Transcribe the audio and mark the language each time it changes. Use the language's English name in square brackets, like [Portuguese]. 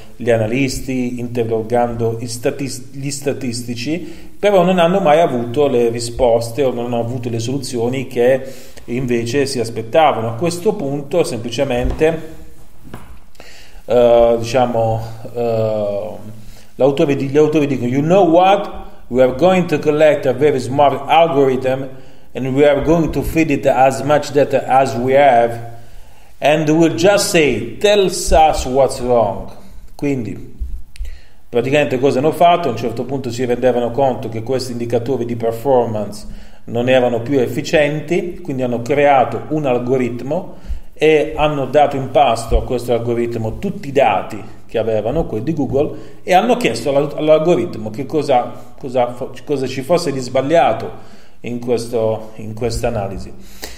[Italian] gli analisti, interrogando gli statistici, però non hanno mai avuto le risposte o non hanno avuto le soluzioni che invece si aspettavano. A questo punto, semplicemente, gli autori dicono: [English] "You know what? We are going to collect a very smart algorithm and we are going to feed it as much data as we have and we'll just say, tell us what's wrong." [Italian] Quindi, praticamente, cosa hanno fatto? A un certo punto si rendevano conto che questi indicatori di performance non erano più efficienti, quindi hanno creato un algoritmo e hanno dato in pasto a questo algoritmo tutti i dati che avevano, quelli di Google, e hanno chiesto all'algoritmo che cosa ci fosse di sbagliato in questa analisi.